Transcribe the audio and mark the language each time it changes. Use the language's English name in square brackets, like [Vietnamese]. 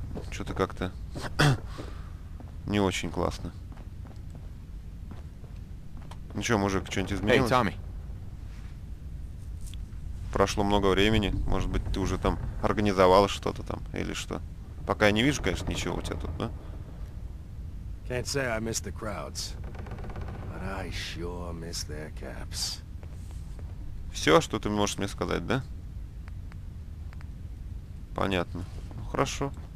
[Russian] Что-то как-то не очень классно. Ну что, мужик, что-нибудь изменилось? [English] Hey, Tommy. [Russian] Прошло много времени. Может быть, ты уже там организовал что-то там или что? Пока я не вижу, конечно, ничего у тебя тут, да? [English] Can't say I miss the crowds, but I sure miss their caps. [Russian] Все, что ты можешь мне сказать, да? Понятно. Ну, хорошо.